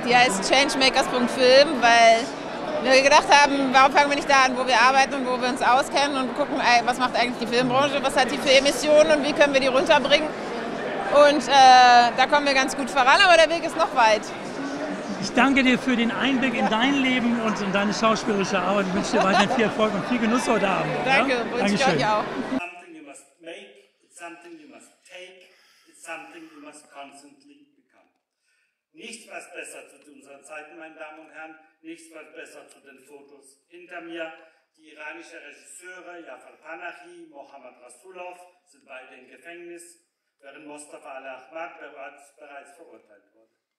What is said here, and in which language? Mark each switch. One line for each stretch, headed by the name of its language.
German: Die heißt Changemakers.film, weil wir gedacht haben, warum fangen wir nicht da an, wo wir arbeiten und wo wir uns auskennen und gucken, was macht eigentlich die Filmbranche, was hat die für Emissionen und wie können wir die runterbringen. Und da kommen wir ganz gut voran, aber der Weg ist noch weit. Ich danke dir für den Einblick in dein Leben und in deine schauspielerische Arbeit. Ich wünsche dir weiterhin viel Erfolg und viel Genuss heute Abend. Danke, ja? Danke schön. Ich auch.
English: Something you must make, it's something you must take, it's something you must constantly become.
German: Nichts was besser zu unseren Zeiten, meine Damen und Herren, nichts was besser zu den Fotos hinter mir. Die iranischen Regisseure Jafar Panahi, Mohammad Rasulov sind beide im Gefängnis, während Mostafa Al-Ahmad bereits verurteilt wurde.